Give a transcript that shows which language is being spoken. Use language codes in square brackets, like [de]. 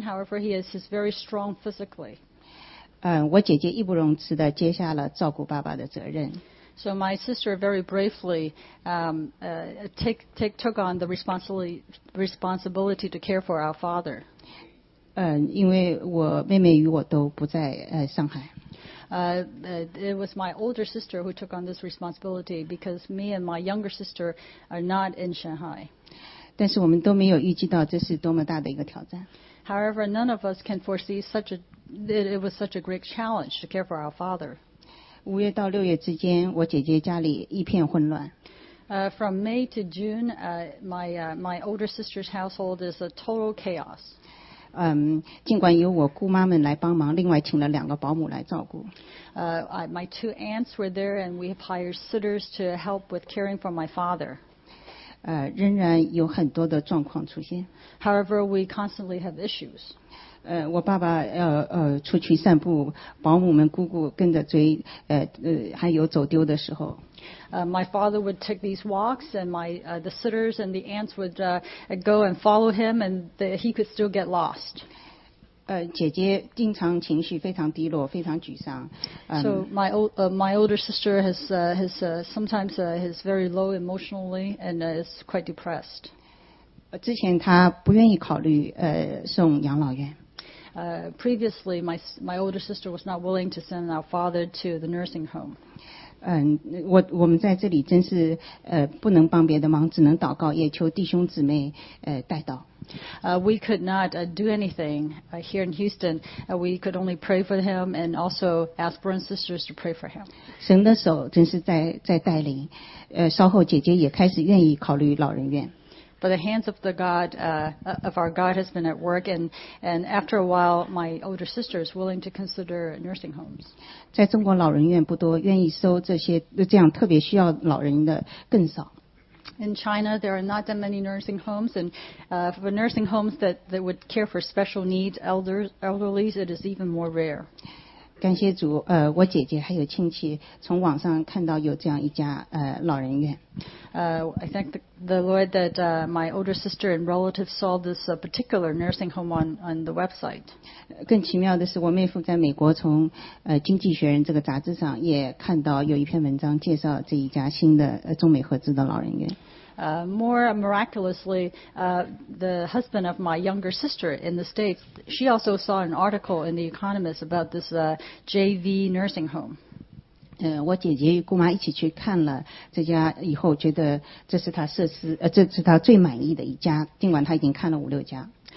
[en] However, he is very strong physically. [zh] 我姐姐义不容辞地接下了照顾爸爸的责任。 [en] So my sister very bravely took on the responsibility to care for our father. [zh] 因为我妹妹与我都不在上海。 [en] It was my older sister who took on this responsibility because me and my younger sister are not in Shanghai. [zh] 但是我们都没有预计到这是多么大的一个挑战。 [en] However, none of us can foresee it was such a great challenge to care for our father. [zh] 五月到六月之间，我姐姐家里一片混乱。 [en] From May to June, my older sister's household is a total chaos. [zh] 尽管由我姑妈们来帮忙，另外请了两个保姆来照顾。 [en] My two aunts were there, and we have hired sitters to help with caring for my father. [zh] 仍然有很多的状况出现。 [en] However, we constantly have issues. [zh] 我爸爸出去散步，保姆们姑姑跟着追，还有走丢的时候。 [en] My father would take these walks, and the sitters and the aunts would go and follow him, and he could still get lost. [zh] 姐姐经常情绪非常低落，非常沮丧。 [en] So my older sister has sometimes is very low emotionally and is quite depressed. [zh] 之前她不愿意考虑送养老院。 [en] Previously, my older sister was not willing to send our father to the nursing home. [zh] 我们在这里真是不能帮别的忙，只能祷告，也求弟兄姊妹带祷。 [en] We could not do anything here in Houston. We could only pray for him and also ask brothers and sisters to pray for him. [zh] 神的手真是在带领。稍后姐姐也开始愿意考虑老人院。 [en] But the hands of the God of our God has been at work, and after a while, my older sister is willing to consider nursing homes. [zh] 在中国老人院不多，愿意收这些这样特别需要老人的更少。 [en] In China, there are not that many nursing homes, and for nursing homes that would care for special needs elderly, it is even more rare. [zh] 感谢主，我姐姐还有亲戚从网上看到有这样一家老人院。 [en] I thank the Lord that my older sister and relatives saw this particular nursing home on the website. [zh] 更奇妙的是，我妹夫在美国从《经济学人》这个杂志上也看到有一篇文章介绍这一家新的中美合资的老人院。 [en] More miraculously, the husband of my younger sister in the States, she also saw an article in The Economist about this JV nursing home. [zh] 我姐姐与姑妈一起去看了这家以后，觉得这是她设施这是她最满意的一家，尽管她已经看了五六家。